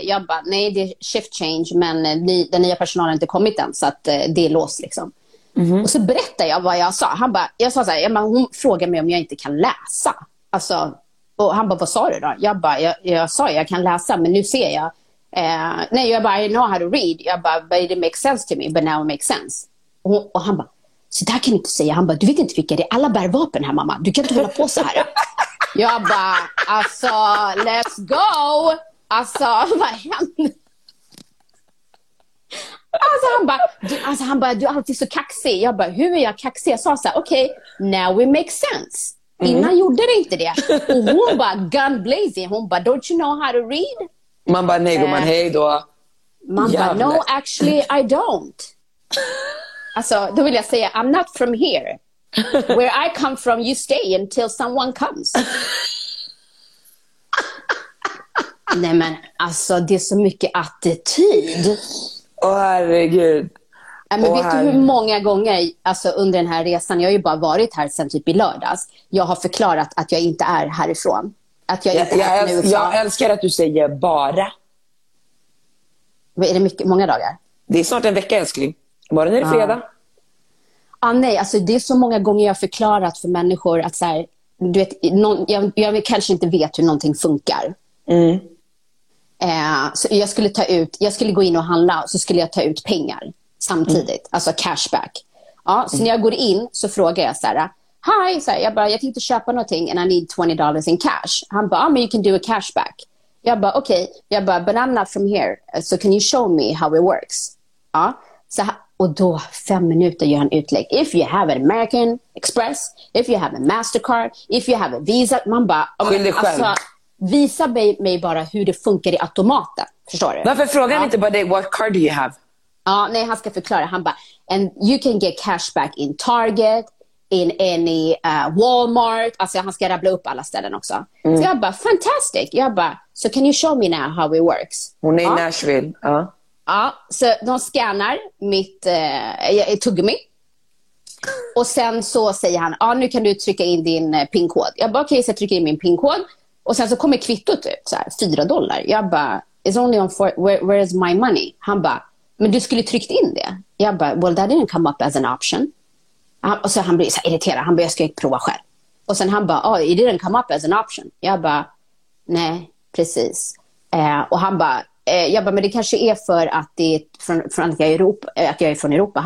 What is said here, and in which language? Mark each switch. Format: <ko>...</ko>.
<sv>Jag bara, nej, det är</sv> <en>shift change,</en> <sv>men den nya personalen har inte kommit än, så att det är låst, liksom. Mm-hmm. Och så berättade jag vad jag sa. Han bara, jag sa så här, jag bara, hon frågade mig om jag inte kan läsa. Alltså, och han bara, vad sa du då? Jag bara, jag sa jag kan läsa, men nu ser jag. Nej, jag bara,</sv> <en>I know how to read.</en> <sv>Jag bara,</sv> <en>but it makes sense to me, but now it makes sense.</en> <sv>Och han bara, så där kan du inte säga. Han bara, du vet inte vilka det är. Alla bär vapen här, mamma. Du kan inte hålla på så här. Jag bara, alltså,</sv> <en>let's go.</en> <sv>Alltså, vad händer? Alltså han bara, du är alltid så kaxig. Jag bara, hur är jag kaxig? Jag sa så här, okej,</sv> <en>okay, now it makes sense.</en> <sv>Innan gjorde det inte det. Och hon bara,</sv> <en>gun blazing.</en> <sv>Hon bara,</sv> <en>don't you know how to read?</en> <sv>Man bara, nej, man hej då. Man bara,</sv> <en>no, actually I don't.</en> <sv>Alltså, då vill jag säga,</sv> <en>I'm not from here. Where I come from, you stay until someone comes.</en> <sv>Nej men, alltså det är så mycket attityd. Åh, herregud. Men vet du hur många gånger, alltså, under den här resan, jag har ju bara varit här sen typ i lördags, jag har förklarat att jag inte är härifrån. Att jag inte är nu. Jag älskar att du säger bara. Vad är det, mycket, många dagar? Det är snart en vecka, älskling. Bara när det är fredag. Ja, nej, alltså det är så många gånger jag har förklarat för människor att så här, du vet, jag kanske inte vet hur någonting funkar. Mm. Så jag skulle gå in och handla, så skulle jag ta ut pengar samtidigt, alltså cashback. Ja, så när jag går in så frågar jag så här, hi, så här, jag bara, jag tänkte köpa någonting</sv> <en>and I need $20 in cash.</en> <sv>Han bara,</sv> <en>oh, you can do a cashback.</en> <sv>Jag bara, okej,</sv> <en>okay.</en> <sv>Jag bara,</sv> <en>but I'm not from here, so can you show me how it works?</en> <sv>Ja, så här, och då 5 minuter gör han utlägg.</sv> <en>If you have an American Express, if you have a Mastercard, if you have a Visa,</en> <sv>man bara, okay, alltså, visa mig bara hur det funkar i automaten. Förstår du? Varför frågar han inte bara dig,</sv> <en>what card do you have?</en> <sv>Ja, nej, han ska förklara. Han bara,</sv> <en>and you can get cashback in Target, in any Walmart.</en> <sv>Alltså han ska rabbla upp alla ställen också.</sv> <en>Mm.</en> <sv>Så jag bara,</sv> <en>fantastic.</en> <sv>Jag bara,</sv> <en>so can you show me now how it works?</en> <sv>Hon är i Nashville. Ja, så de scannar mitt tuggummi. Och sen så säger han, ja, nu kan du trycka in din PIN-kod. Jag bara, okej, okay, så jag trycker in min PIN-kod. Och sen så kommer kvittot ut, så här, $4. Jag bara,</sv> <en>it's only on four, where is my money?</en> <sv>Han bara, men du skulle tryckt in det. Jag bara,</sv> <en>well, that didn't come up as an option.</en> <sv>Och så han blir så här irriterad. Han bara, jag ska prova själv. Och sen han bara,</sv> <en>oh, it didn't come up as an option.</en> <sv>Jag bara, nej, precis. Och han bara, jag bara, men det kanske är för att det är från att jag är Europa, att jag är från Europa.</sv>